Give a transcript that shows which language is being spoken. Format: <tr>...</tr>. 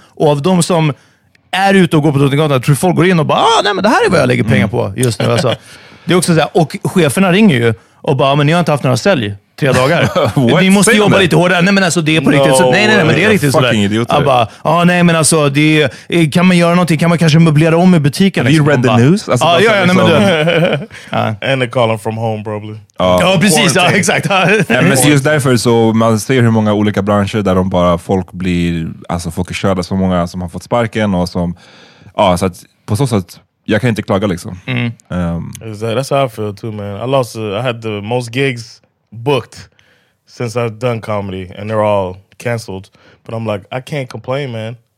<sv>Och av de som är ute och går på Drottninggatan, tror du folk går in och bara, nej, men det här är vad jag lägger pengar på just nu. Alltså. Det är också så här, och cheferna ringer ju och bara, men ni har inte haft några sälj 3 dagar. Ni måste säg jobba lite hårdare. Nej, men alltså det är på riktigt. Så, nej, men det är riktigt sådär. Jag bara, nej, men alltså det är, kan man göra någonting? Kan man kanske möblera om i butiken?</sv> <en>Have you liksom? Read the news?</en> <sv>Alltså, ah, ja, nej, men du.</sv> <en>And they call them from home probably.</en> <sv>Ja, precis. Ja, exakt. Men just därför så man ser hur många olika branscher där de bara folk blir, alltså folk är körda, så många som har fått sparken och som, ja, så att på så sätt jag kan inte klaga liksom.</sv> <en>That's how I feel too, man. I had the most gigs booked since I've done comedy and they're all canceled, but I'm like, I can't complain, man.</en>